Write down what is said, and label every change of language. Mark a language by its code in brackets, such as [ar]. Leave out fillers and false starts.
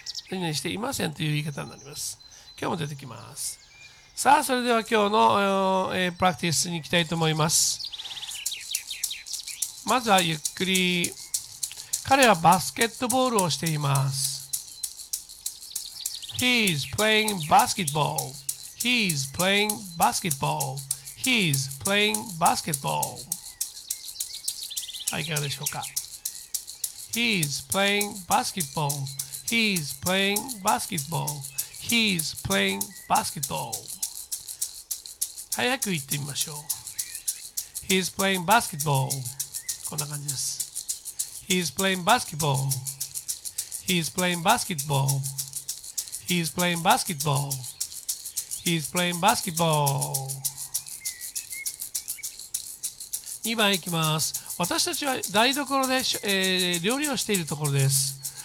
[ja] 何々していませんという言い方になります。今日も出てきます。さあ、それでは今日の、プラクティスに行きたいと思います。まずはゆっくり、彼はバスケットボールをしています。 [en] He's playing basketball. He's playing basketball. He's playing basketball. I got a shocker. He's playing basketball. He's playing basketball. He's playing basketball. [ja] 早く言ってみましょう。 [en] He's playing basketball. [ja] こんな感じです。 [en] He's playing basketball. He's playing basketball. He's playing basketball. He's playing basketball. [ja] 2番いきます。私たちは台所で、料理をしているところです。